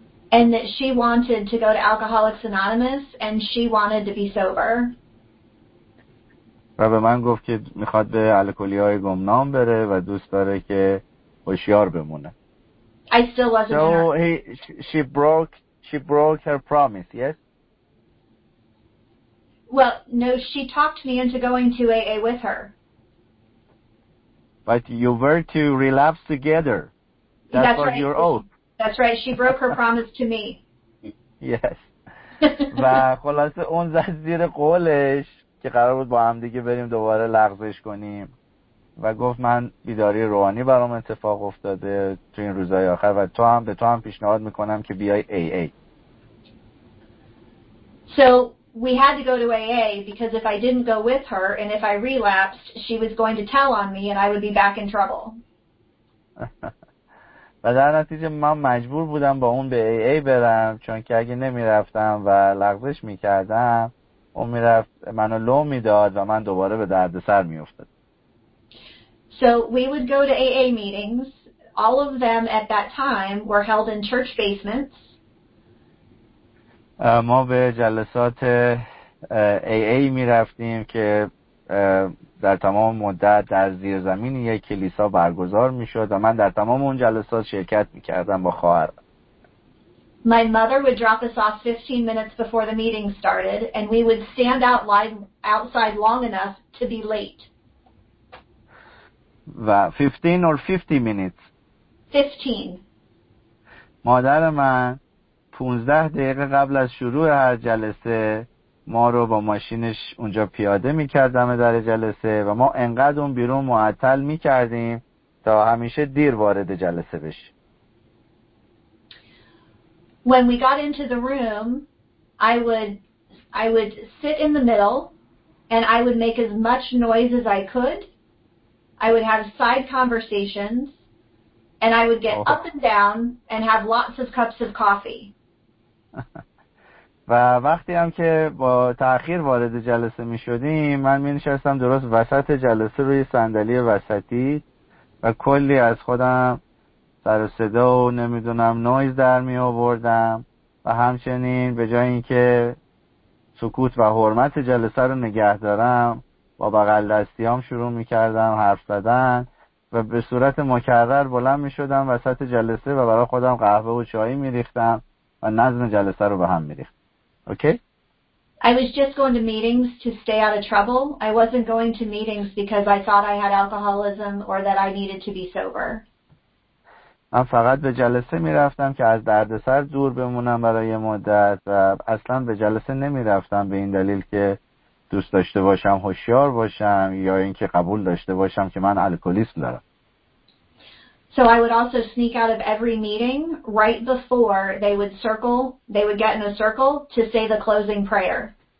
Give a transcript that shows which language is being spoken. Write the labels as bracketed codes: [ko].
[en] And that she wanted to go to Alcoholics Anonymous and she wanted to be sober. [fa] و به من گفت که میخواد به الکلی‌های گمنام بره و دوست داره که هوشیار بمونه. [en] I still wasn't sure. So she broke her promise, yes? Well, no, she talked me into going to AA with her. But you were to relapse together. That's right. Your oath. That's right. She broke her promise to me. Yes. [fa] و خلاصه اون زد زیر قولش که قرار بود با هم دیگه بریم دوباره لغزش کنیم و گفت من بیداری روحانی برام اتفاق افتاده تو این روزهای آخر و به تو هم پیشنهاد میکنم که بیای AA. [en] So we had to go to AA because if I didn't go with her and if I relapsed, she was going to tell on me and I would be back in trouble. [fa] و در نتیجه من مجبور بودم با اون به AA برم، چون که اگه نمیرفتم و لغزش میکردم اون میرفت منو لو میداد و من دوباره به درد سر میفتد. [en] So we would go to AA meetings. All of them at that time were held in church basements. [fa] ما به جلسات AA میرفتیم که در تمام مدت در زیر زمین یک کلیسا برگزار میشد و من در تمام اون جلسات شرکت میکردم با خواهرم. [en] My mother would drop us off 15 minutes before the meeting started and we would stand out line outside long enough to be late. و 15 or 50 minutes. 15. [fa] مادر من 15 دقیقه قبل از شروع هر جلسه ما رو با ماشینش اونجا پیاده میکرد دم در جلسه و ما انقدر اون بیرون معطل میکردیم تا همیشه دیر وارد جلسه بشه. [en] When we got into the room, I would sit in the middle and I would make as much noise as I could. I would have side conversations and I would get up and down and have lots of cups of coffee. [fa] و وقتی هم که با تأخیر وارد جلسه می شدیم من می نشستم درست وسط جلسه روی صندلی وسطی و کلی از خودم سر و صدا و نمی دونم نویز در می آوردم و همچنین به جای اینکه سکوت و حرمت جلسه رو نگه دارم با بغل دستی هم شروع می کردم حرف زدن و به صورت مکرر بلند می شدم وسط جلسه و برای خودم قهوه و چای می ریختم و نظم جلسه رو به هم می ریختم. [en] Okay. I was just going to meetings to stay out of trouble. I wasn't going to meetings because I thought I had alcoholism or that I needed to be sober. [fa] من فقط به جلسه می‌رفتم که از دردسر دور بمونم برای مدت و اصلاً به جلسه نمی‌رفتم به این دلیل که دوست داشته باشم هوشیار باشم یا اینکه قبول داشته باشم که من الکلیست دارم. [en] So I would also sneak out of every meeting right before they would get in a circle to say the closing prayer.